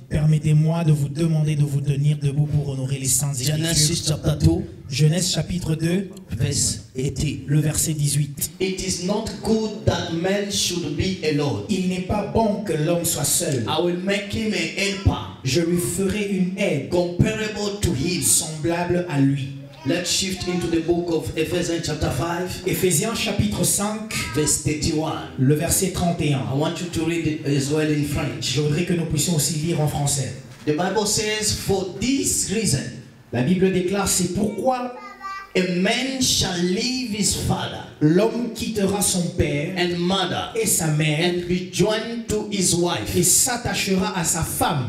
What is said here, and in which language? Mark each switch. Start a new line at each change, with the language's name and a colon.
French: Permettez-moi de vous demander de vous tenir debout pour honorer les saintes écritures.
English: Genesis chapter 2.
French: Genèse chapitre 2
English: verse 18.
French: Le verset 18.
English: It is not good that man should be alone.
French: Il n'est pas bon que l'homme soit seul.
English: I will make him a helper.
French: Je lui ferai une aide
English: comparable to him,
French: semblable à lui.
English: Let's shift into the book of Ephesians chapter 5.
French: Ephésiens chapitre 5
English: verse 31.
French: Le verset 31.
English: I want you to read it as well in French.
French: Je voudrais que nous puissions aussi lire en français.
English: The Bible says for this reason.
French: La Bible déclare c'est pourquoi
English: a man shall leave his father.
French: L'homme quittera son père
English: and mother
French: et sa mère
English: and be joined to his wife
French: et s'attachera à sa femme